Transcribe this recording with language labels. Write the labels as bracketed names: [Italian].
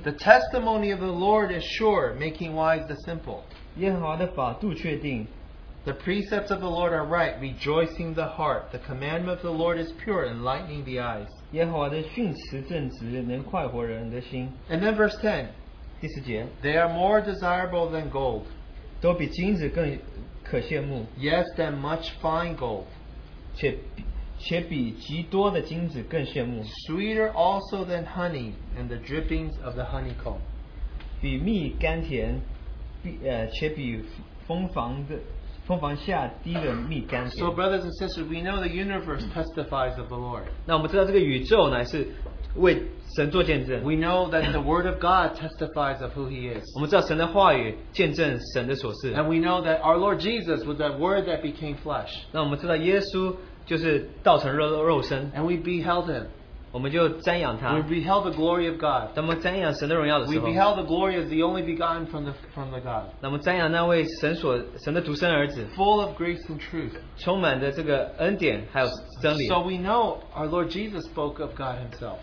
[English] the testimony of the Lord is sure, making wise the simple, [Chinese] 耶和华的法度确定, [English] the precepts of the Lord are right, rejoicing the heart, the commandment of the Lord is pure, enlightening the eyes, [Chinese] 耶和华的训词正直, 能快活人的心, [English] and then verse 10. They are more desirable than gold, [Chinese] 都比金子更可羡慕, [English] yes, than much fine gold, [Chinese] 且比极多的金子更羡慕, [English] sweeter also than honey and the drippings of the honeycomb, [Chinese] 比蜜甘甜, 且比蜂房下滴的蜜甘甜。 [English] So brothers and sisters, we know the universe testifies of the Lord. [Chinese] 那我们知道这个宇宙乃是 [English] We know that the word of God testifies of who He is. [Chinese] 我们知道神的话语见证神的所事。 [English] And we know that our Lord Jesus was that word that became flesh. [Chinese] 那我们知道耶稣就是道成肉身。 [English] And we beheld Him. we beheld the glory of God. We beheld the glory of the only begotten from the God. Full of grace and truth. So we know our Lord Jesus spoke of God Himself.